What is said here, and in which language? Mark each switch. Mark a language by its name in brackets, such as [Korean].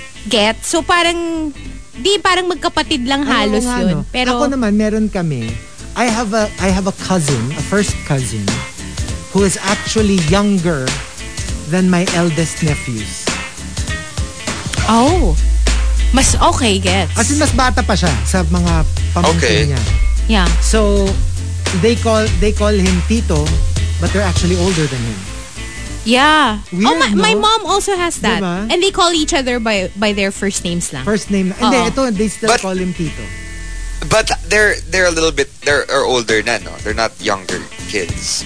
[Filipino] Get? So, parang... Di, parang magkapatid lang halos yun. No. Pero, ako naman, meron kami. [English] I have a cousin, a first cousin, who is actually younger than my eldest nephews. [Filipino] Oh. Mas okay, gets. As in, mas bata pa siya sa mga pamangkin niya. [English] Yeah. So, they call him Tito, but they're actually older than him. Yeah. Weird, oh, my mom also has that. Diba? And they call each other by their first names lang. First name. And they still call him Tito. But they're a little bit, they're older na, no? They're not younger kids.